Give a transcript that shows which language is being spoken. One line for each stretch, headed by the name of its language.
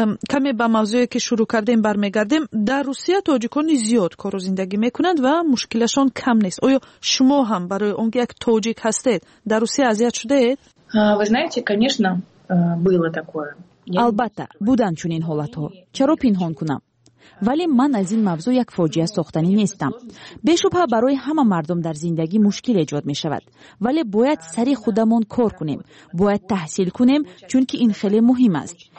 Persian: کمی به موضوعی که شروع کردیم برمیگردیم. در روسیه تاجیکان زیاد کار و زندگی میکنند و مشکلشان کم نیست. آیا شما هم برای اون یک تاجیک هستید در روسیه اذیت شدید؟
Russian: Вы знаете, конечно, было такое.
Tajik: Албатта, будан чунин ҳолатҳо. Чаро пинҳон кунам? Вале ман аз ин мавзу як фоҷиа сохтани нестам. Бешубҳа барои ҳама мардум дар зиндагӣ мушкил эҷод мешавад. Вале бояд сари худамон кор кунем. Бояд таҳсил кунем, чунки ин хеле муҳим аст.